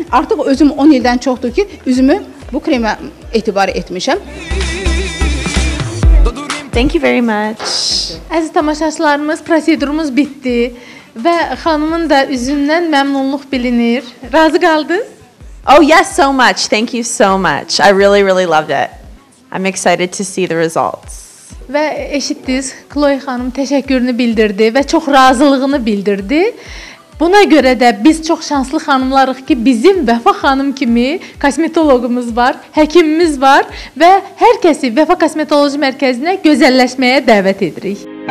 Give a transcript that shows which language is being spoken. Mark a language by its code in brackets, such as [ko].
[az] Artıq özüm 10 ildən çoxdur ki, üzümü bu kremə etibar etmişəm. [en] Thank you very much. [az] Əziz tamaşaçılarımız, prosedurumuz bitdi və xanımın da üzündən məmnunluq bilinir. Razı qaldınız? [en] Oh, yes, so much. Thank you so much. I really, really loved it. I'm excited to see the results. [az] Və eşitdiniz, Chloe xanım təşəkkürünü bildirdi və çox razılığını bildirdi. Buna görə də biz çox şanslı xanımlarıq ki, bizim Vəfa xanım kimi kosmetoloqumuz var, həkimimiz var və hər kəsi Vəfa Kosmetoloji Mərkəzinə gözəlləşməyə dəvət edirik.